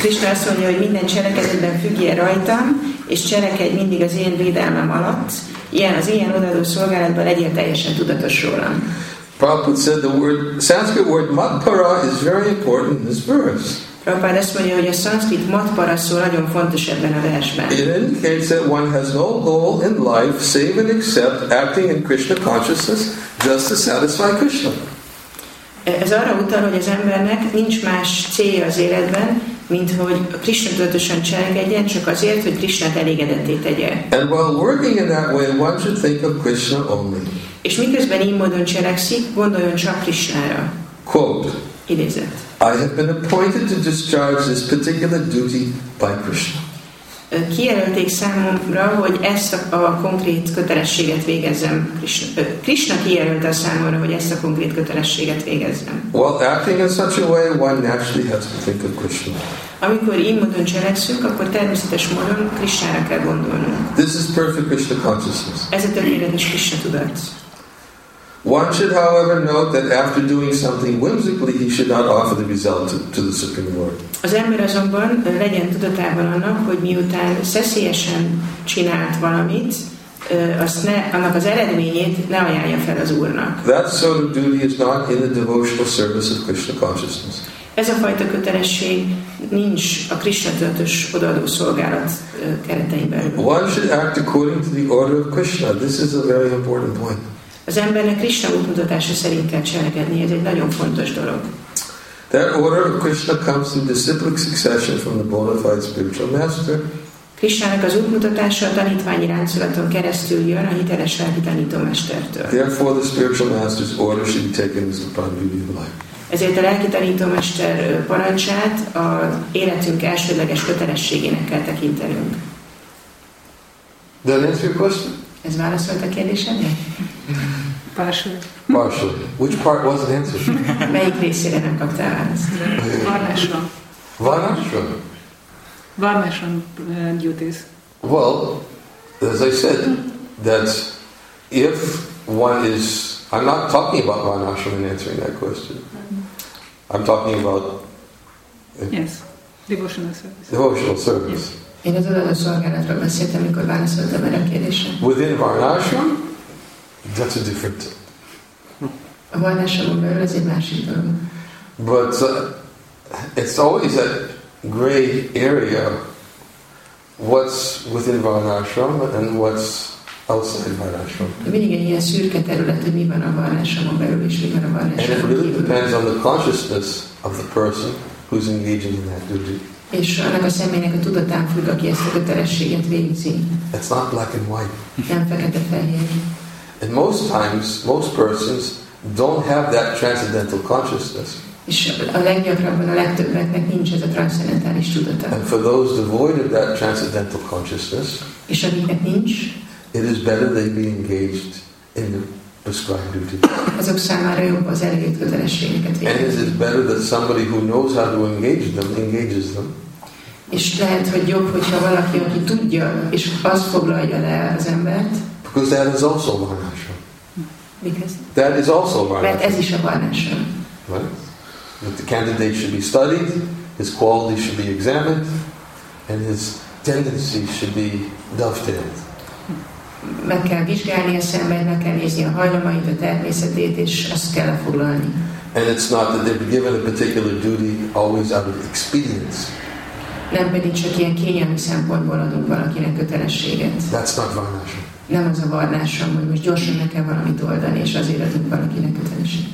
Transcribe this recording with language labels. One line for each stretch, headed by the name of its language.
Hungarian: Krishna azt mondja, hogy minden cselekedetben függje rajtam, és cselekedj mindig az én védelmem alatt, ilyen az ilyen odaadó szolgálatban legyen teljesen tudatos rólam.
English: Prabhupada said the word, Sanskrit word matpara is very important in this verse.
Hungarian: Prabhupada azt mondja, hogy a szanszkrit matpara szó nagyon fontos ebben a versben.
English: It indicates that one has no goal in life, save and except acting in Krishna consciousness, just to satisfy Krishna.
Hungarian: Ez arra utal, hogy az embernek nincs más célja az életben, mint hogy Krishna tudatosan cselekedjen, csak azért, hogy Krishna elégedetté tegye.
English: And while working in that way, one should think of Krishna only.
Hungarian: És miközben így módon cselekszik, gondoljon csak Krishnára.
English: Quote.
Hungarian: Idézett.
English: I have been appointed to discharge this particular duty by Krishna.
Hungarian: Kijelölték számomra, hogy ezt a konkrét kötelességet végezzem. Krishna kijelölte számomra, hogy ezt a konkrét kötelességet végezzem.
English: Well, acting in such a way, one naturally has to think of Krishna.
Hungarian: Amikor így módon cselekszünk, akkor természetes módon Krishnára kell gondolnunk.
English: This is perfect Krishna consciousness.
Hungarian: Ez a tökéletes Krishna tudat.
English: One should, however, note that after doing something whimsically, he should not offer the result to the Supreme Lord.
Hungarian: Az ember azonban legyen tudatában annak, hogy miután szeszélyesen csinált valamit, azt ne, annak az eredményét ne ajánlja fel az Úrnak.
English: That sort of duty is not in the devotional service of Krishna consciousness.
Hungarian: Ez a fajta kötelesség nincs a Krishna tudatos odaadó szolgálat kereteiben.
English: One should act according to the order of Krishna. This is a very important point.
Hungarian: Az embernek Krishna útmutatása szerint kell cselekedni, ez egy nagyon fontos dolog.
English: That order of Krishna comes in disciplic succession from the bona fide spiritual master.
Hungarian: Krishnának az útmutatása a tanítványi ráncolaton keresztül jön a hiteles lelki tanítómestertől.
English: Therefore the spiritual master's order should be taken as the prime duty of life.
Hungarian: Ezért a lelki tanítómester parancsát a életünk elsődleges kötelességének kell tekintenünk.
English: Then answer your question.
Hungarian: Ez válaszolt a kérdésemre?
English: Partially. Which part wasn't answered?
Hungarian: Melyik részére nem kaptál választ?
English: Varnashram. Varnashram duties. Well, as I said, that if one is... I'm not talking about Varnashram in answering that question. I'm talking about... Yes. Devotional service. Devotional service. Yes.
Hungarian: Én az odaadó szolgálatról beszéltem, amikor válaszoltam erre a kérdésre.
English: Within Varnashram, that's a different thing.
Hungarian: A Varnashramon belül az egy másik dolog.
English: But it's always a gray area, what's within Varnashram and what's outside Varnashram.
Hungarian: Mindig egy ilyen szürke terület, hogy mi van a Varnashramon belül és mi van a Varnashramon kívül.
English: And it really depends on the consciousness of the person who's engaging in that duty.
Hungarian: És annak a személynek a tudatán függ, aki ezt a kötelességet végzi.
English: It's not black and white.
Hungarian: Nem fekete-fehér.
English: And most times, most persons don't have that transcendental consciousness.
Hungarian: És a leggyakrabban a legtöbbeknek nincs ez a transzcendentális tudata.
English: And for those devoid of that transcendental consciousness,
Hungarian: és akiknek nincs,
English: it is better they be engaged in the prescribed duty.
Hungarian: Azok számára jobb az elérhető kötelességeket végezni.
English: And is it better that somebody who knows how to engage them engages them?
Hungarian: És lehet, hogy jobb, hogyha valaki, aki tudja, és az foglalja le az embert.
English: Because that is also Varnashram. Because? That is also Varnashram.
Hungarian: Mert ez is a Varnashram.
English: Right? That the candidate should be studied, his quality should be examined, and his tendency should be dovetailed.
Hungarian: Meg kell vizsgálni a szemben, meg kell nézni a hajlamait, a természetét, és azt kell foglalni.
English: And it's not that they're given a particular duty always out of expedience.
Hungarian: Nem pedig csak ilyen kényelmi szempontból adunk valakinek kötelességet.
English: That's not Varnashram.
Hungarian: Nem az a Varnashram, hogy most gyorsan meg kell valamit oldani, és azért adunk valakinek kötelességet.